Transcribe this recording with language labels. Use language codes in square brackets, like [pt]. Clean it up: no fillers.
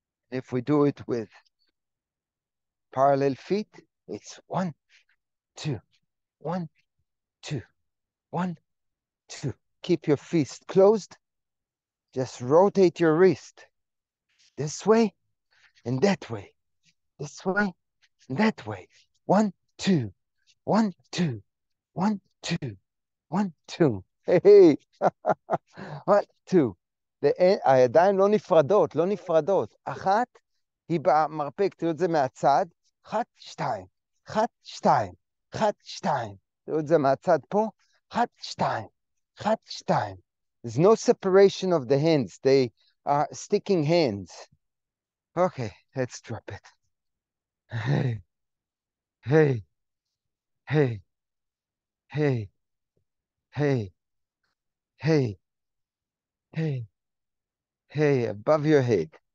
[en] If we do it with parallel feet, it's one, two, one, two, one, two. Keep your fist closed. Just rotate your wrist. this way and that way, this way and that way. One, two, one, two, one, two, one, two. Hey, one, two. [he] The הידיים לא נפרדות, לא נפרדות. אחת, היא במרפק, תראו את זה מהצד. אחת, שתיים, אחת, שתיים, אחת, שתיים. תראו את זה מהצד פה. אחת, שתיים, אחת, שתיים. [en] There's no separation of the hands. They are sticking hands. Okay, let's drop it. Hey, hey, hey, hey, hey, hey, hey, hey, above your head.